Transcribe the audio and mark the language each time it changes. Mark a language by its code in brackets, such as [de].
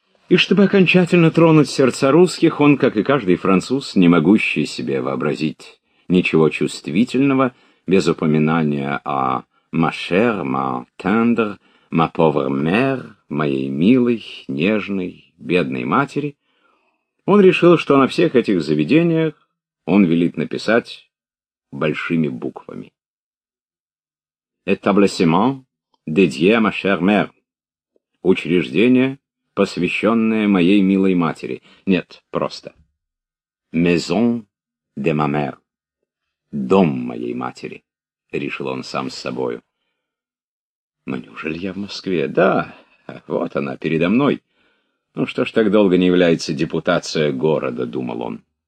[ru] И чтобы окончательно тронуть сердца русских, он, как и каждый француз, не могущий себе вообразить ничего чувствительного, без упоминания о [fr] «ma chère, ma tendre, ma pauvre mère», [ru] «моей милой, нежной, бедной матери», он решил, что на всех этих заведениях он велит написать большими буквами. [fr] «Établissement dédié à ma chère mère» [ru] — «Учреждение, посвященная моей милой матери». Нет, просто. [fr] «Maison de ma mère» [ru] — «Дом моей матери», — решил он сам с собою. «Но неужели я в Москве?» «Да, вот она, передо мной. Ну что ж так долго не является депутация города», — думал он.